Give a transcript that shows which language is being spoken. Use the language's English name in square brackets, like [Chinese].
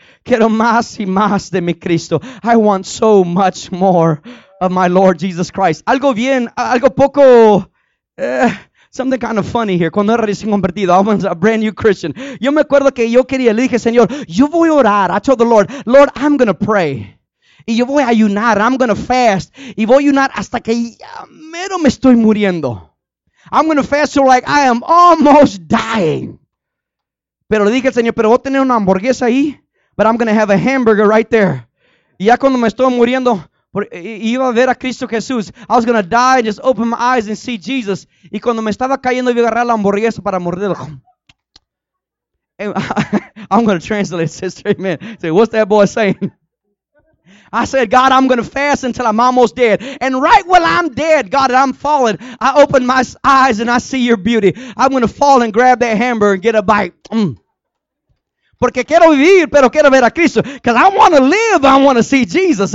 [Spanish] Quiero más y más de mi Cristo. [English] I want so much more of my Lord Jesus Christ. [Spanish] Algo bien, algo poco, [English] something kind of funny here. [Spanish] Cuando era recién convertido, [English] I was a brand new Christian. [Spanish] Yo me acuerdo que yo quería, le dije, Señor, yo voy a orar. [English] I told the Lord, Lord, I'm going to pray. [Spanish] Y yo voy a ayunar, [English] I'm going to fast. [Spanish] Y voy a ayunar hasta que ya mero me estoy muriendo. [English] I'm going to fast till like I am almost dying. [Spanish] Pero le dije al Señor, pero voy a tener una hamburguesa ahí. [English] But I'm going to have a hamburger right there. [Spanish] Y ya cuando me estoy muriendo, iba a ver a Cristo Jesús. [English] I was going to die and just open my eyes and see Jesus. [Spanish] Y cuando me estaba cayendo, iba a agarrar la hamburguesa para morderla. [English] I'm going to translate it, sister. Amen. Say, what's that boy saying? I said, God, I'm going to fast until I'm almost dead. And right while I'm dead, God, and I'm falling, I open my eyes and I see your beauty. I'm going to fall and grab that hamburger and get a bite. Mm. [Spanish] Porque quiero vivir, pero quiero ver a Cristo. [English] Because I want to live, I want to see Jesus.